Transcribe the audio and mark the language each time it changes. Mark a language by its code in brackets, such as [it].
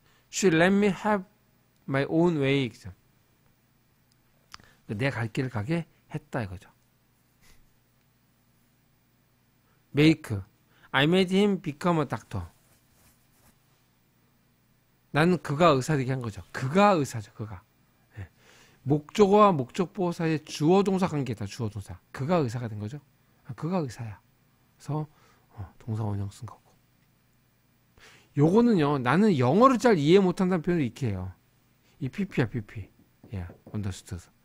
[en] She let me have my own way. [ko] 내갈 길을 가게 했다, 이거죠. [en] Make. I made him become a doctor. [ko] 나는 그가 의사되게 한 거죠. 그가 의사죠, 그가. 목적어와 목적보호 사이에 주어동사 관계다, 주어동사. 그가 의사가 된 거죠. 그가 의사야. 그래서, 동사원형 쓴 거고. 요거는요, 나는 영어를 잘 이해 못한다는 표현을 이렇게 해요. 이 PP야, PP. 예, understood.